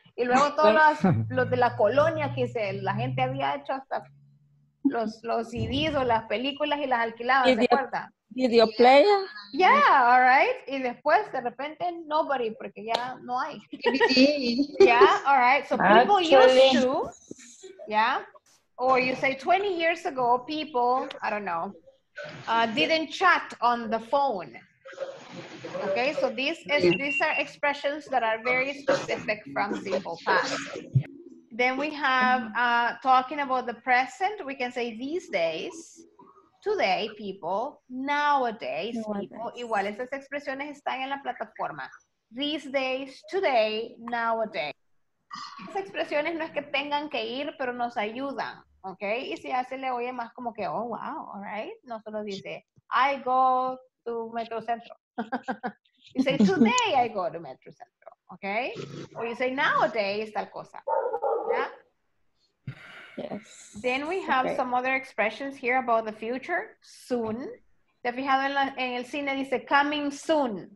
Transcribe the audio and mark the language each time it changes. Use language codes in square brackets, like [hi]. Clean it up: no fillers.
[es] Y luego todos los de la colonia que la gente había hecho hasta los CDs o las películas y las alquilaba, ¿te acuerdas? [en] Video player. Yeah, all right. [es] Y después, de repente, nobody, porque ya no hay. [en] Yeah, all right. So people used to, yeah. Or you say 20 years ago, people, I don't know, didn't chat on the phone. Okay, so these are expressions that are very specific from simple past. Then we have talking about the present, we can say these days. Today, people, nowadays, people, [es] igual esas expresiones están en la plataforma. [en] These days, today, nowadays. [es] Esas expresiones no es que tengan que ir, pero nos ayudan, ¿ok? Y si hace le oye más como que, [en] oh, wow, all right. [es] No solo dice, [en] I go to Metrocentro. You say, today I go to Metro Centro, okay? Or you say, nowadays, [es] tal cosa. [en] Yeah? Yes. Then we have okay. some other expressions here about the future. Soon. [es] Te fijado en, la, en el cine dice, [en] coming soon.